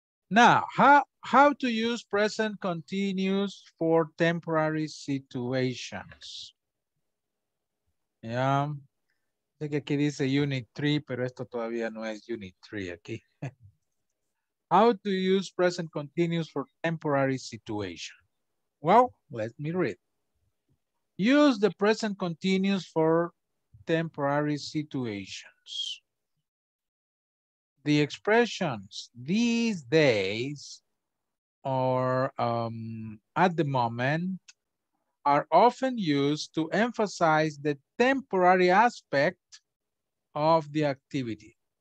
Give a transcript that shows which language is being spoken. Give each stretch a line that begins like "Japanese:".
English: Now, how to use present continuous for temporary situations? Yeah.
Spanish: Sé que aquí dice unit 3, pero esto todavía no es unit 3 aquí.
English: How to use present continuous for temporary situations? Well, let me read. Use the present continuous for temporary situations. The expressions these days or at the moment are often used to emphasize the temporary aspect of the activity.